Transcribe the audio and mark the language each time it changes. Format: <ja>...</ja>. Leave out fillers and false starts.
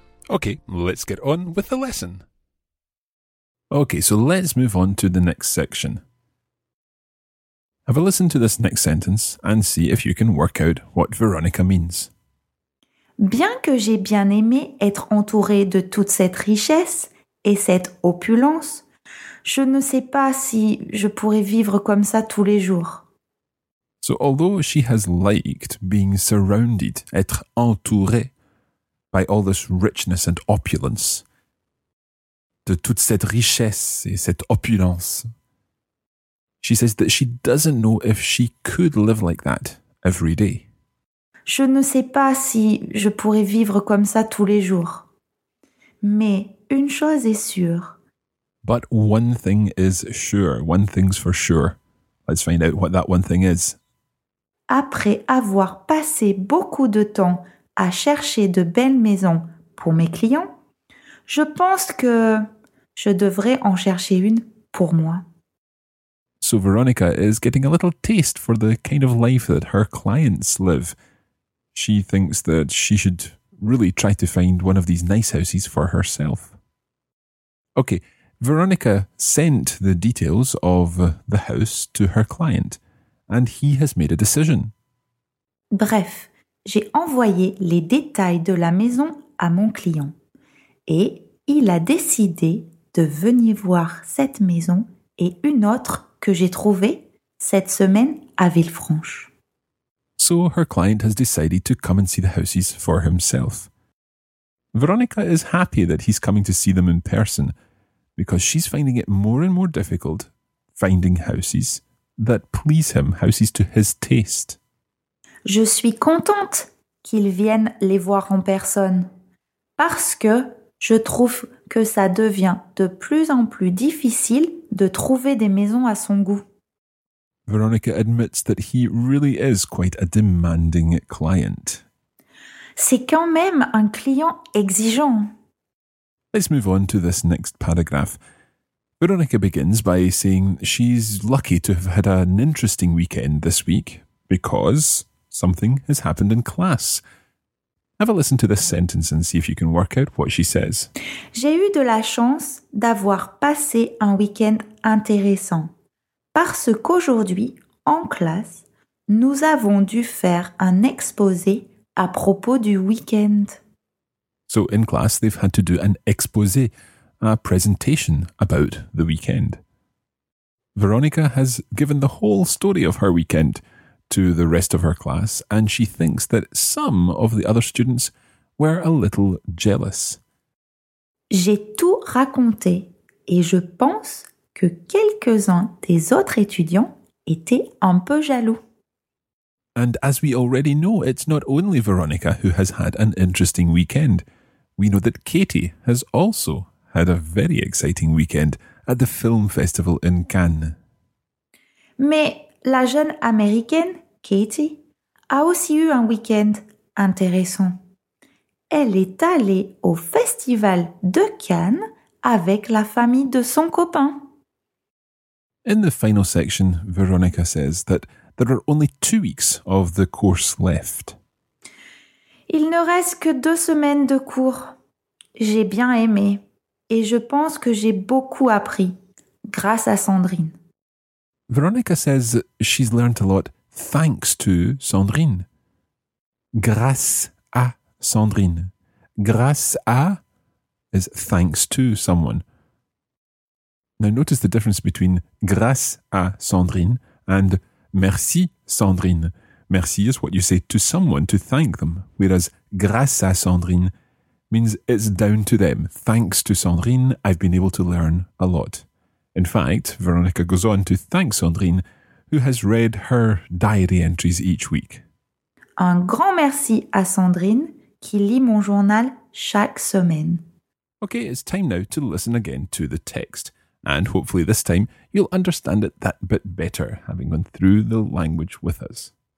<en>Okay, let's get on with the lesson. Okay, so let's move on to the next section. Have a listen to this next sentence and see if you can work out what Veronica means.</en> <fr>Bien que j'ai bien aimé être entourée de toute cette richesse et cette opulence, je ne sais pas si je pourrais vivre comme ça tous les jours.</fr> <en>So although she has liked being surrounded,</en> <fr>être entourée,</fr> <en>by all this richness and opulence,</en> <fr>de toute cette richesse et cette opulence.</fr> <en>She says that she doesn't know if she could live like that every day.</en> <fr>Je ne sais pas si je pourrais vivre comme ça tous les jours. Mais une chose est sûre.</fr> <en>But one thing is sure. One thing's for sure. Let's find out what that one thing is.</en> <fr>Après avoir passé beaucoup de temps à chercher de belles maisons pour mes clients, je pense que je devrais en chercher une pour moi.</fr> <en>So Veronica is getting a little taste for the kind of life that her clients live. She thinks that she should really try to find one of these nice houses for herself. Okay, Veronica sent the details of the house to her client, and he has made a decision.</en> <fr>Bref, j'ai envoyé les détails de la maison à mon client, et il a décidé de venir voir cette maison et une autre que j'ai trouvée cette semaine à Villefranche.</fr> <en>So her client has decided to come and see the houses for himself. Veronica is happy that he's coming to see them in person because she's finding it more and more difficult finding houses that please him, houses to his taste.</en> <fr>Je suis contente qu'il vienne les voir en personne parce que je trouve que ça devient de plus en plus difficile de trouver des maisons à son goût.</fr> <en>Veronica admits that he really is quite a demanding client.</en> <fr>C'est quand même un client exigeant.</fr> <en>Let's move on to this next paragraph. Veronica begins by saying she's lucky to have had an interesting weekend this week because something has happened in class. Have a listen to this sentence and see if you can work out what she says.</en> <fr>J'ai eu de la chance d'avoir passé un week-end intéressant. Parce qu'aujourd'hui, en classe, nous avons dû faire un exposé à propos du week-end.</fr> <en>So, in class, they've had to do an exposé, a presentation about the weekend. Veronica has given the whole story of her weekend to the rest of her class, and she thinks that some of the other students were a little jealous.</en> <fr>J'ai tout raconté, et je pense que quelques-uns des autres étudiants étaient un peu jaloux.</fr> <en>And as we already know, it's not only Veronica who has had an interesting weekend. We know that Katie has also had a very exciting weekend at the film festival in Cannes.</en> <fr>Mais la jeune américaine, Katie, a aussi eu un week-end intéressant. Elle est allée au festival de Cannes avec la famille de son copain.</fr> <en>In the final section, Veronica says that there are only 2 weeks of the course left.</en> <fr>Il ne reste que 2 semaines de cours. J'ai bien aimé et je pense que j'ai beaucoup appris grâce à Sandrine.</fr> <en>Veronica says she's learned a lot thanks to Sandrine.</en> <fr>Grâce à Sandrine. Grâce à</fr> <en>is thanks to someone. Now notice the difference between</en> <fr>grâce à Sandrine</fr> <en>and merci Sandrine. Merci is what you say to someone to thank them, whereas</en> <fr>grâce à Sandrine</fr> <en>means it's down to them. Thanks to Sandrine, I've been able to learn a lot. In fact, Veronica goes on to thank Sandrine, who has read her diary entries each week.</en> <fr>Un grand merci à Sandrine qui lit mon journal chaque semaine.</fr> <en>Okay, it's time now to listen again to the text. And hopefully this time, you'll understand it that bit better, having gone through the language with us.</en>